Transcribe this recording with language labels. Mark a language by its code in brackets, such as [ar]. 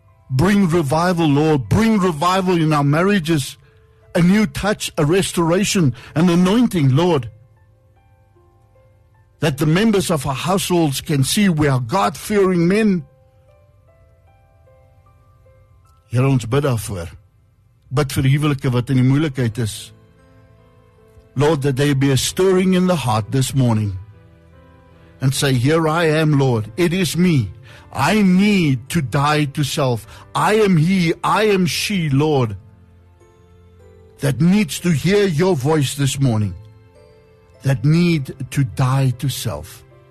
[en] Bring revival, Lord. Bring revival in our marriages. A new touch, a restoration, an anointing, Lord. That the members of our households can see we are God-fearing men. [af] Here ons bid daarvoor. Bid vir huwelike wat in die moeilikheid is. [en] Lord, that there be a stirring in the heart this morning. and say, here I am, Lord. It is me. I need to die to self. I am he. I am she, Lord, that needs to hear your voice this morning, that need to die to self.